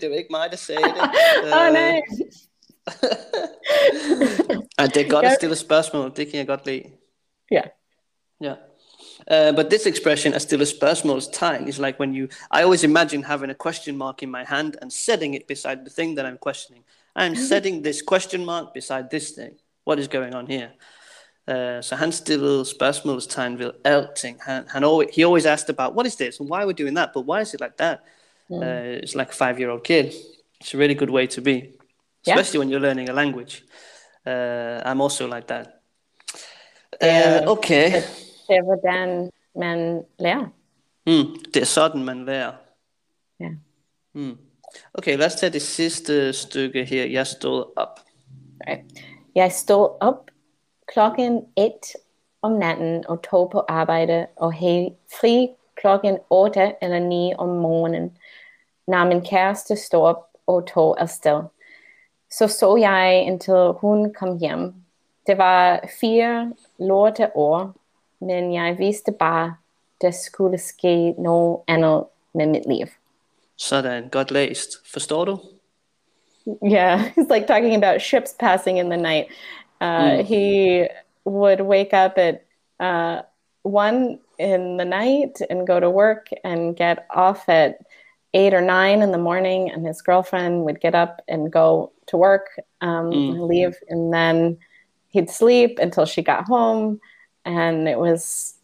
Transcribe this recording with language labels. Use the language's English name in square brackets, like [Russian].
[Danish] Det var ikke mig, der sagde det. Nej. Det er godt at stille spørgsmål. Det kan jeg godt lide. [English] But this expression [Danish] at stille spørgsmålstegn [English] is like when you I always imagine having a question mark in my hand and setting it beside the thing that I'm questioning. I'm setting this question mark beside this thing. What is going on here? [Danish] Så han stille spørgsmålstegn ved alting. [English] He always asked about what is this and why are we doing that, but why is it like that? It's like a 5-year-old kid. It's a really good way to be. Especially when you're learning a language. I'm also like that. Okay. [Danish] Det er hvordan man lærer. Det er sådan, man lærer. Ja. Okay, lad os tage det sidste stykke her. Jeg stod op. [English] Right. [Danish] Jeg stod op klokken 1 om natten og tog på arbejde og helt fri klokken 8 eller 9 om morgenen. Når min kæreste stod op og tog afsted. Så jeg indtil hun kom hjem. Det var 4 lorte år, men jeg vidste bare, der skulle ske noget andet med mit liv. Sådan, godt læst. Forstår du? [English] Yeah, he's like talking about ships passing in the night. He would wake up at 1 in the night and go to work and get off at 8 or 9 in the morning, and his girlfriend would get up and go to work, leave, and then he'd sleep until she got home, and it was